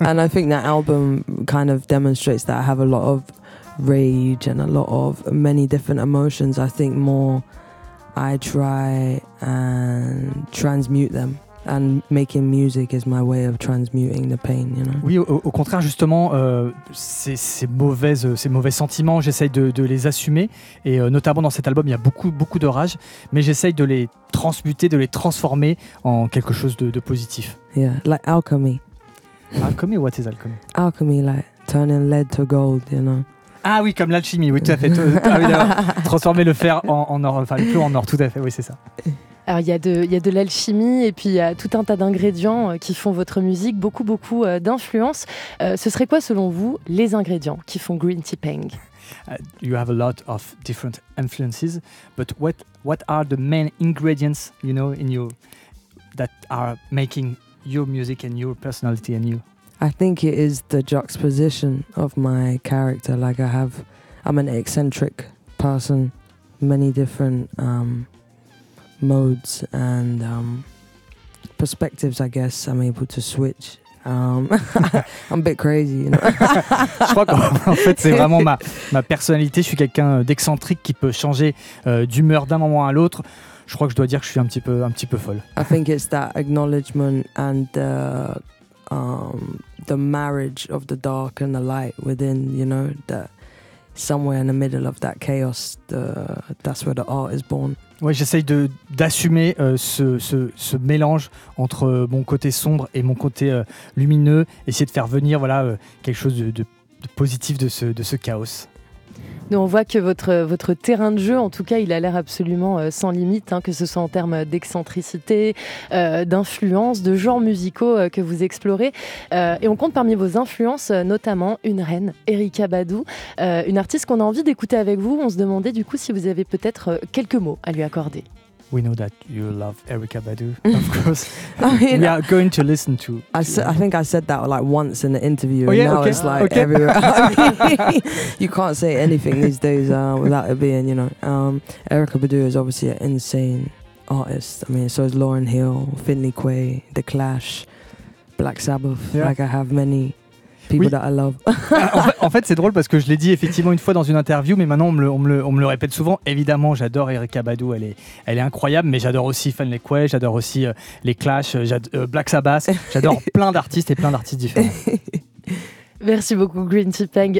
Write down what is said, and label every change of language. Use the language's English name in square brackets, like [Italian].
[English] And I think that album kind of demonstrates that I have a lot of rage and a lot of many different emotions. I think more I try and transmute them. And making music is my way of transmuting the pain, you know. [French] Oui, au contraire, justement, ces mauvais sentiments, j'essaye de les assumer. Et notamment dans cet album, il y a beaucoup, beaucoup de rage, mais j'essaye de les transmuter, de les transformer en quelque chose de positif. [English] Yeah, like alchemy. Alchemy, what is alchemy? Alchemy, like turning lead to gold, you know. [French] Ah oui, comme l'alchimie, oui, tout à fait. Transformer le fer en or, enfin le plomb en or, tout à fait, oui, c'est ça. Alors il y a de l'alchimie et puis il y a tout un tas d'ingrédients qui font votre musique, beaucoup beaucoup d'influence. Ce serait quoi selon vous les ingrédients qui font Green Tea Peng? [English] You have a lot of different influences, but what are the main ingredients, you know, in you that are making your music and your personality and you? I think it is the juxtaposition of my character. Like I'm an eccentric person, many different modes and perspectives, I guess, I'm able to switch. I'm a bit crazy, you know. [French] Je crois qu'en fait, c'est vraiment ma personnalité. Je suis quelqu'un d'excentrique qui peut changer d'humeur d'un moment à l'autre. Je crois que je dois dire que je suis un petit peu folle. [English] I think it's that acknowledgement and the marriage of the dark and the light within, you know, that somewhere in the middle of that chaos, that's where the art is born. [French] Ouais, j'essaye d'assumer ce mélange entre mon côté sombre et mon côté lumineux, essayer de faire venir voilà quelque chose de positif de ce chaos. Nous, on voit que votre terrain de jeu, en tout cas, il a l'air absolument sans limite, hein, que ce soit en termes d'excentricité, d'influence, de genres musicaux que vous explorez. Et on compte parmi vos influences, notamment une reine, Erykah Badu, une artiste qu'on a envie d'écouter avec vous. On se demandait du coup si vous avez peut-être quelques mots à lui accorder. [English] We know that you love Erykah Badu, of course. I mean, we are going to listen to. I think I said that like once in an interview. Oh, yeah? And now okay. It's like okay. Everywhere. You can't say anything these days without it being, you know. Erykah Badu is obviously an insane artist. I mean, so is Lauryn Hill, Finley Quay, The Clash, Black Sabbath. Yeah. Like I have many people that I love. [French] en fait, c'est drôle parce que je l'ai dit effectivement une fois dans une interview, mais maintenant on me le répète souvent. Évidemment, j'adore Erykah Badu, elle est incroyable, mais j'adore aussi Finley Quay, j'adore aussi les Clash, Black Sabbath, j'adore plein d'artistes et plein d'artistes différents. Merci beaucoup Green Tea Peng.